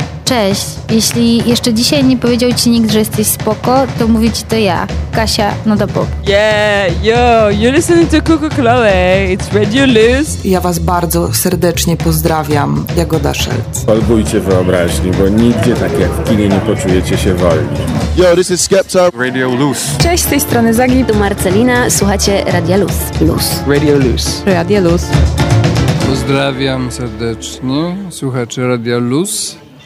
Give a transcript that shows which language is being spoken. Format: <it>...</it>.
<pl>Cześć, jeśli jeszcze dzisiaj nie powiedział ci nikt, że jesteś spoko, to mówię ci to ja, Kasia Nodopop.</pl> <en>Yeah, yo, you're listening to Coco Chloe, it's Radio Luz.</en> <pl>Ja was bardzo serdecznie pozdrawiam, Jagoda Szelc. Polbujcie wyobraźni, bo nigdzie tak jak w kinie nie poczujecie się wolni.</pl> <en>Yo, this is Skepta,</en> <pl>Radio Luz. Cześć, z tej strony Zagi, tu Marcelina, słuchacie Radio Luz. Luz. Radio Luz. Radio Luz. Pozdrawiam serdecznie słuchaczy Radia Luz.</pl>